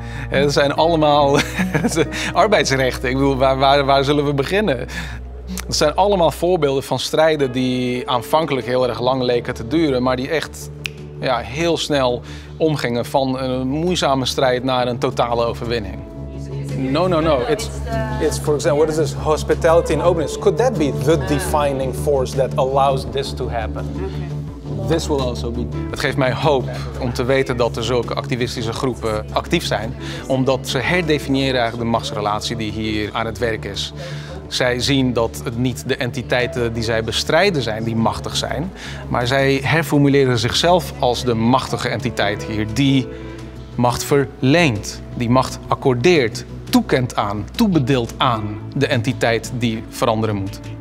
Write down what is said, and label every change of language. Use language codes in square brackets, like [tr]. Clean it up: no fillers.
[nl] Dat zijn allemaal arbeidsrechten. Ik bedoel, waar zullen we beginnen? Dat zijn allemaal voorbeelden van strijden die aanvankelijk heel erg lang leken te duren. Maar die echt ja, heel snel omgingen van een moeizame strijd naar een totale overwinning. [en] No, no, no. It's for example, what is this? Hospitality and openness. Could that be the defining force that allows this to happen? This will also be. [nl] Het geeft mij hoop om te weten dat er zulke activistische groepen actief zijn. Omdat ze herdefiniëren eigenlijk de machtsrelatie die hier aan het werk is. Zij zien dat het niet de entiteiten die zij bestrijden zijn die machtig zijn. Maar zij herformuleren zichzelf als de machtige entiteit hier die macht verleent, die macht accordeert, toekent aan, toebedeelt aan de entiteit die veranderen moet.